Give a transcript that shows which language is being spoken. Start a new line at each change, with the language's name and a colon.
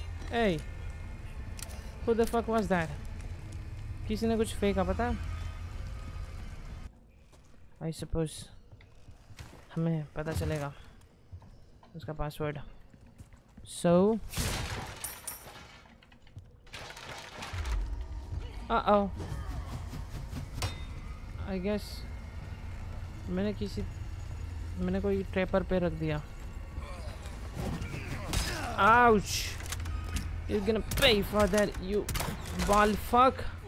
English: Hey, who the fuck was that?
Hindi: किसी ने कुछ फेंका पता?
English: I suppose
Hindi: हमें पता चलेगा उसका पासवर्ड.
English: So, I guess
Hindi: मैंने कोई ट्रैपर पे रख दिया.
English: Ouch! You're gonna pay for that, you ball fuck!